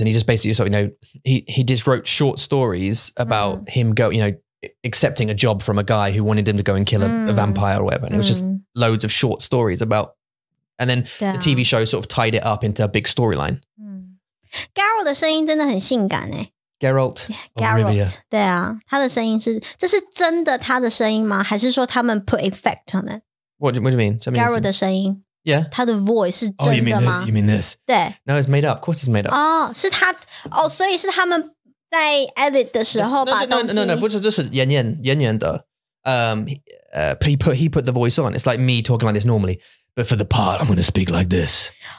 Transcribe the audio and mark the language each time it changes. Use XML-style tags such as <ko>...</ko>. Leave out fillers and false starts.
<en>And he just basically, so, you know, he just wrote short stories about him go, you know, accepting a job from a guy who wanted him to go and kill a vampire or whatever. And it was just loads of short stories about, and then the TV show sort of tied it up into a big storyline.</en> <zh>Geralt的声音真的很性感耶。</zh> <en>Geralt of Rivia.</en> <zh>对啊,他的声音是, 这是真的他的声音吗?</zh> <en>还是说他们 put effect on it? What do you mean?</en> <zh>Geralt的声音?</zh> <en>Yeah.</en> <zh>他的voice是真的吗?Oh,</zh> <en>you mean this?</en> <zh>对。</zh> <en>No, it's made up. Of course it's made up.</en> <zh>哦,是他, 哦,所以是他们在 edit的时候把东西...</zh> <en>No, 不是,就是演员的, he put the voice on. It's like me talking like this normally, but for the part, I'm going to speak like this.</en>